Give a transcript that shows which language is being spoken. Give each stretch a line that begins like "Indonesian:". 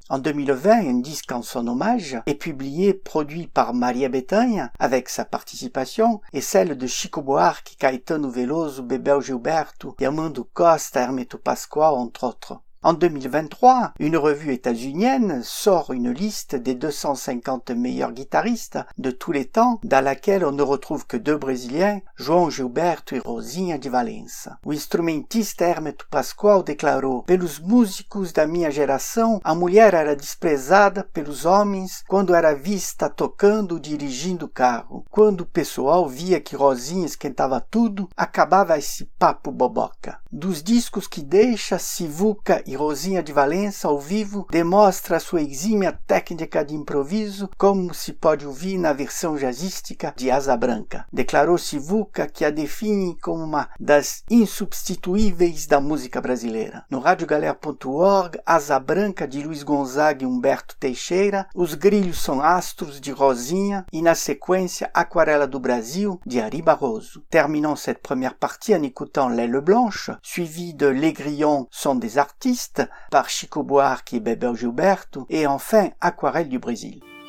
French: En 2020, un disque en son hommage est publié, produit par Maria Bethânia, avec sa participation et celle de Chico Buarque, Caetano Veloso, Bebel Gilberto, Yamando Costa, Hermeto Pascoal, entre autres. En 2023, une revue états-unienne sort une liste des 250 meilleurs guitaristes de tous les temps, dans laquelle on ne retrouve que deux Brésiliens, João Gilberto et Rosinha di Valença.
Portuguese: O instrumentista Hermeto Pascoal declarou: pelos músicos da minha geração, a mulher era desprezada pelos homens quando era vista tocando ou dirigindo o carro. Quando o pessoal via que Rosinha esquentava tudo, acabava esse papo boboca. Dos discos que deixa, Sivuca e Rosinha di Valença ao vivo demonstra sua exímia técnica de improviso, como se pode ouvir na versão jazzística de Asa Branca. Declarou Sivuca, que a define como uma das insubstituíveis da música brasileira. No radiogalera.org, Asa Branca de Luiz Gonzaga e Humberto Teixeira, Os Grilhos São Astros de Rosinha e, na sequência, Aquarela do Brasil de Ari Barroso.
French: Terminons cette première partie en écoutant L'Aile Blanche, suivi de Les Grillons sont des artistes par Chico Buarque et Bebel Gilberto, et enfin Aquarelle du Brésil.